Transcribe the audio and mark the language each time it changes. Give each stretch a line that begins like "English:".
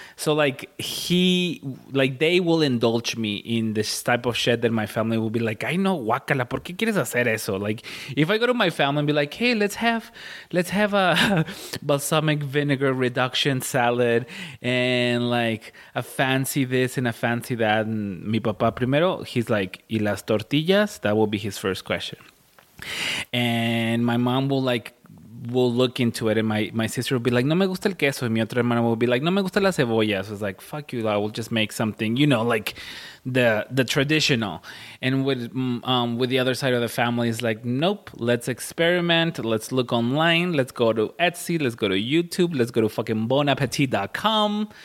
English: So, like, they will indulge me in this type of shit that my family will be like,
Spanish: ay, no, guacala, ¿por qué quieres hacer eso?
English: Like, if I go to my family and be like, hey, let's have a balsamic vinegar reduction salad and, like, a fancy this and a fancy that. And
Spanish: mi papá primero,
English: he's like,
Spanish: ¿y las tortillas?
English: That will be his first question. And my mom will look into it, and my sister will be like,
Spanish: no me gusta el queso,
English: and
Spanish: mi otra hermana
English: will be like,
Spanish: no me gusta la cebolla.
English: So it's like, fuck you, I will just make something, you know, like the traditional. And with the other side of the family is like, nope, let's experiment, let's look online, let's go to Etsy, let's go to YouTube, let's go to fucking bonappetit.com.